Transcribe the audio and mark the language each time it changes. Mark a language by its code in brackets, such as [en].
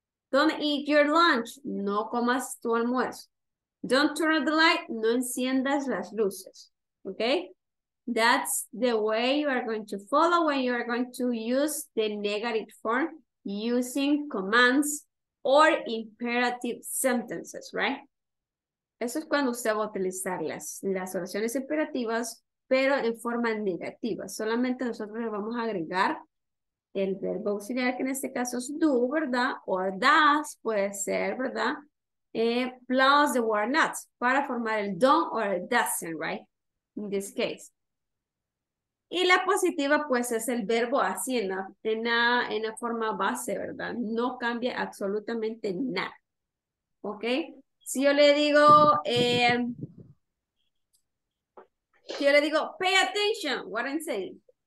[en] Don't eat your lunch. [es] No comas tu almuerzo. [en] Don't turn the light. [es] No enciendas las luces, okay? [en] That's the way you are going to follow when you are going to use the negative form using commands or imperative sentences, right? [es] Eso es cuando usted va a utilizar las oraciones imperativas, pero en forma negativa. Solamente nosotros le vamos a agregar el verbo auxiliar, que en este caso es do, ¿verdad? O does, puede ser, ¿verdad? [en] Plus the word not, [es] para formar el [en] don't or el doesn't, right? In this case. [es] Y la positiva, pues, es el verbo así en la forma base, ¿verdad? No cambia absolutamente nada. ¿Ok? Si yo le digo, [en] pay attention, what I'm saying.